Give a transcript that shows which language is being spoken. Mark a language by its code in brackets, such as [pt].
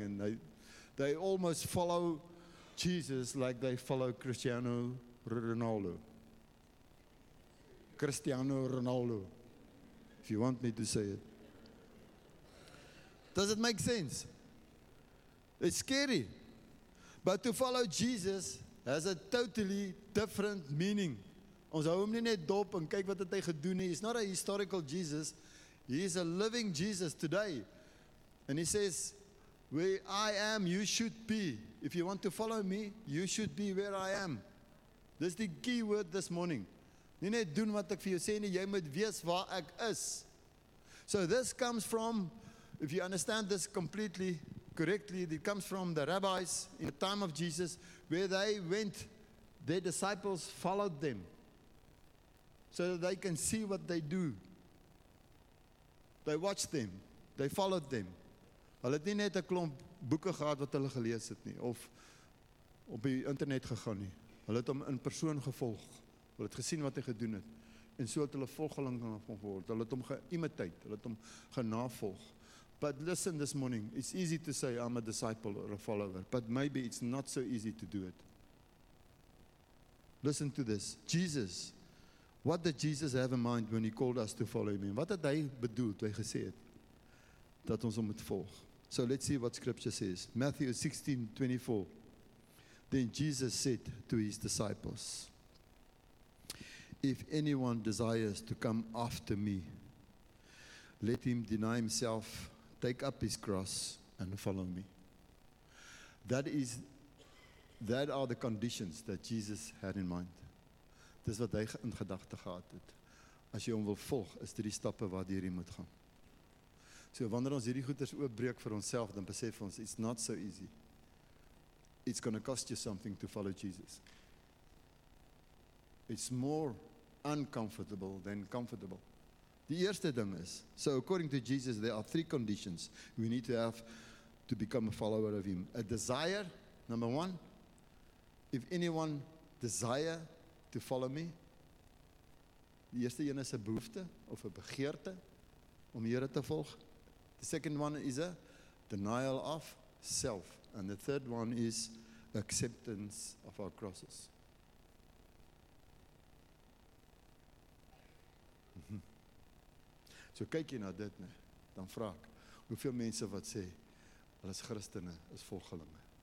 [en] And they almost follow Jesus like they follow Cristiano Ronaldo, if you want me to say it. Does it make sense? It's scary. But to follow Jesus has a totally different meaning. [af] Ons hou hom nie net dop en kyk wat het hy gedoen nie. [en] He's not a historical Jesus. He is a living Jesus today. And he says, where I am, you should be. If you want to follow me, you should be where I am. This is the key word this morning. [af] Nie net doen wat ek vir jou sê nie, jy moet weet waar ek is. [en] So this comes from, if you understand this completely, correctly, it comes from the rabbis in the time of Jesus, where they went, their disciples followed them, so that they can see what they do. They watched them, they followed them. [af] Hulle het nie net 'n klomp boeke gehad wat hulle gelees het nie, of op die internet gegaan nie. Hulle het hom in persoon gevolg. Hulle het gesien wat hy gedoen het. En so het hulle volgeling geword. Hulle het hom geïmiteer, hulle het hom genavolg. [en] But listen this morning, it's easy to say I'm a disciple or a follower, but maybe it's not so easy to do it. Listen to this. Jesus, what did Jesus have in mind when he called us to follow him? [af] Wat het hy bedoel toe hy gesê het dat ons hom moet volg? [en] So let's see what scripture says. Matthew 16:24. Then Jesus said to his disciples, if anyone desires to come after me, let him deny himself, take up his cross, and follow me. That are the conditions that Jesus had in mind. [af] Dis wat hy in gedagte gehad het. As jy hom wil volg, is dit die stappe waar deur jy moet gaan. So wanneer ons hierdie goeders oopbreek vir onsself, dan besef ons, [en] it's not so easy. It's going to cost you something to follow Jesus. It's more uncomfortable than comfortable. [af] Die eerste ding is, [en] so according to Jesus, there are three conditions we need to have to become a follower of him. A desire, number one, if anyone desire to follow me, [af] die eerste een is 'n behoefte of 'n begeerte om die Here te volg. [en] The second one is a denial of self. And the third one is acceptance of our crosses. [af] So kyk jy na dit, ne, dan vra ek, hoeveel mense wat sê, hulle is Christene, is volgelinge.